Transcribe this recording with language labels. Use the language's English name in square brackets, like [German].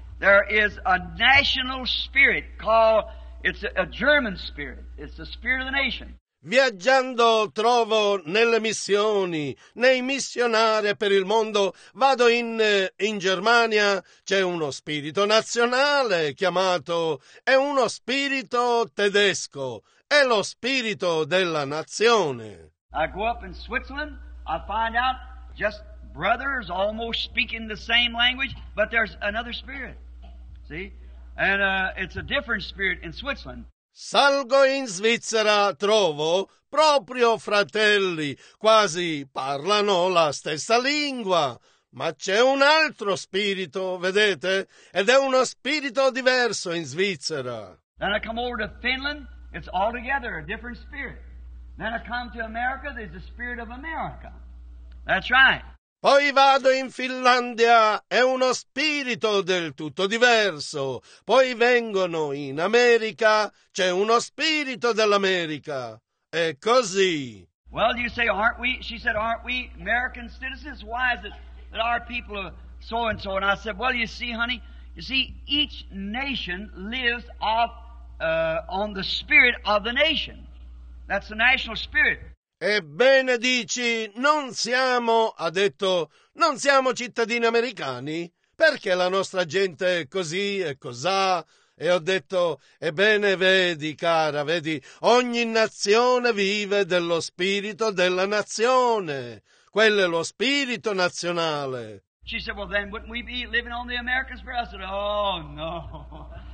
[English] There is a national spirit called, it's a German spirit. It's the spirit of the nation. [Italian] Viaggiando trovo nelle missioni, nei missionari per il mondo, vado in Germania, c'è uno spirito nazionale chiamato, è uno spirito tedesco, è lo spirito della nazione. [English] I go up in Switzerland, I find out just brothers almost speaking the same language, but there's another spirit, see, and it's a different spirit in Switzerland. [Italian] Salgo in Svizzera, trovo proprio fratelli, quasi parlano la stessa lingua, ma c'è un altro spirito, vedete? Ed è uno spirito diverso in Svizzera. [English] Then I come over to Finland, it's altogether a different spirit. Then I come to America, there's the spirit of America. That's right. [Italian] Poi vado in Finlandia, è uno spirito del tutto diverso. Poi vengono in America, c'è uno spirito dell'America. È così. [English] Well, you say, aren't we? She said, aren't we American citizens? Why is it that our people are so and so? And I said, well, you see, honey, you see, each nation lives off on the spirit of the nation. That's the national spirit. [Italian] Ebbene dici, non siamo, ha detto, non siamo cittadini americani? Perché la nostra gente è così e cos'ha? E ho detto, ebbene vedi, cara, vedi, ogni nazione vive dello spirito della nazione. Quello è lo spirito nazionale. [English] She said, well then, wouldn't we be living on the American spirit? I said, oh no.